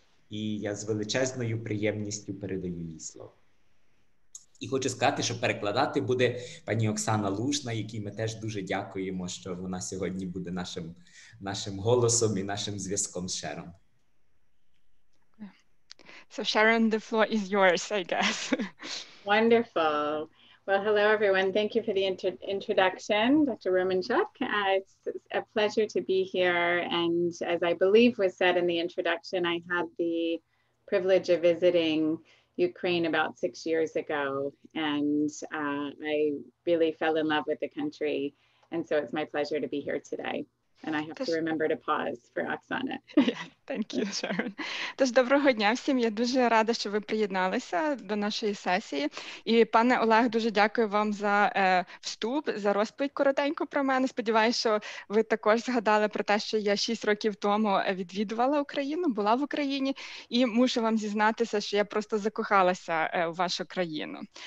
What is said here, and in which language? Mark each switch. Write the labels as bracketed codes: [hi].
[uk] І я з величезною приємністю передаю їй слово. І хочу сказати, що перекладати буде пані Оксана Лужна, якій ми теж дуже дякуємо, що вона сьогодні буде нашим голосом і нашим зв'язком з Шерон. [en] So Sharon, the floor is yours, I guess. Wonderful. Well, hello everyone. Thank you for the introduction, Dr. Romanchuk. It's a pleasure to be here. And as I believe was said in the introduction, I had the privilege of visiting Ukraine about 6 years ago, and I really fell in love with the country, and so it's my pleasure to be here today. And I have to remember to pause for Оксана. Thank you, Sharon. [uk] Тож доброго дня всім. Я дуже рада, що ви приєдналися до нашої сесії. І пане Олег, дуже дякую вам за вступ, за розповідь коротеньку про мене. Сподіваюся, що ви також згадали про те, що я 6 років тому відвідувала Україну, була в Україні, і мушу вам зізнатися, що я просто закохалася в вашу країну.